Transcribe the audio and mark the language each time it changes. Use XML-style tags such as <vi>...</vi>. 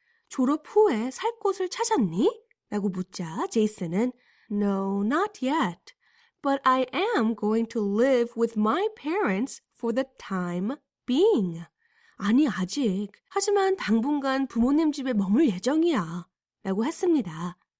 <ko>졸업 후에 살 곳을 찾았니? 라고 묻자 제이슨은</ko> <en>No, not yet. But I am going to live with my parents for the time being.</en> <ko>아니, 아직. 하지만 당분간 부모님 집에 머물 예정이야. 라고 했습니다.</ko>